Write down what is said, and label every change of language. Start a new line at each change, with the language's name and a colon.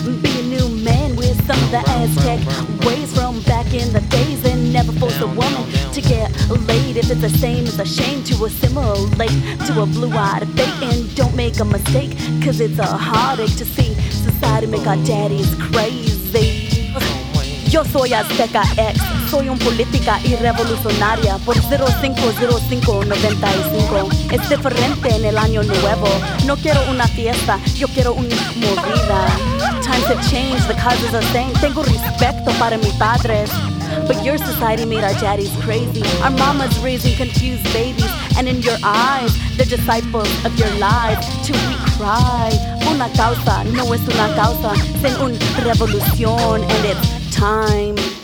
English: Be a new man with some of the Aztec ways from back in the days. And never force a woman to get laid. If it's the same, it's a shame to assimilate to a blue-eyed fate. And don't make a mistake, cause it's a heartache to see society make our daddies crazy.
Spanish: Yo soy Azteca X, soy un política y revolucionaria por 050595. Es diferente en el año nuevo. No quiero una fiesta, yo quiero una movida.
English: Times have changed, the causes are the same.
Spanish: Tengo respeto para mis padres,
English: but your society made our daddies crazy. Our mamas raising confused babies, and in your eyes, they're disciples of your lies. Till we cry,
Spanish: una causa no es una causa, sin una revolución,
English: and it's time.